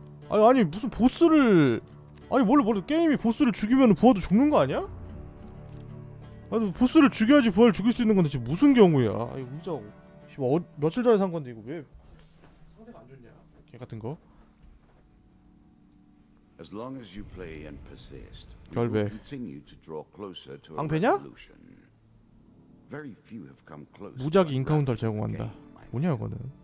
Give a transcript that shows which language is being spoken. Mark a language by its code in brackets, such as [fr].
[ko] 아니 아니 무슨 보스를 아니 몰라 게임이 보스를 죽이면 부하도 죽는 거 아니야? 아니 보스를 죽여야지 부하를 죽일 수 있는 건데 지금 무슨 경우야? 아니 의자 며칠 전에 산 건데 이거 왜 상태가 안 좋냐? 개 같은 거. [en] As long as you play and persist, you will continue to draw closer to a resolution. Very few have come close. [ko] 무작위 인카운터를 제공한다. 뭐냐 이거는.